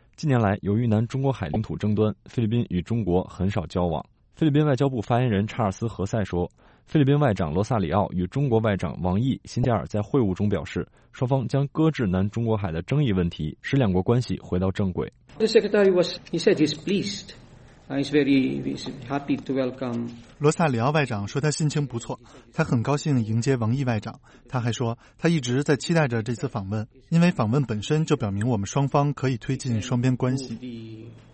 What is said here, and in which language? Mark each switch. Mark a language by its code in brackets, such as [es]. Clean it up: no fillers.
[zh] 近年来，由于南中国海领土争端，菲律宾与中国很少交往。菲律宾外交部发言人查尔斯·何塞说，菲律宾外长罗萨里奥与中国外长王毅、辛加尔在会晤中表示，双方将搁置南中国海的争议问题，使两国关系回到正轨。 [en] The secretary said he's pleased. He's very happy to welcome. [zh] 罗萨里奥外长说他心情不错，他很高兴迎接王毅外长。他还说他一直在期待着这次访问，因为访问本身就表明我们双方可以推进双边关系。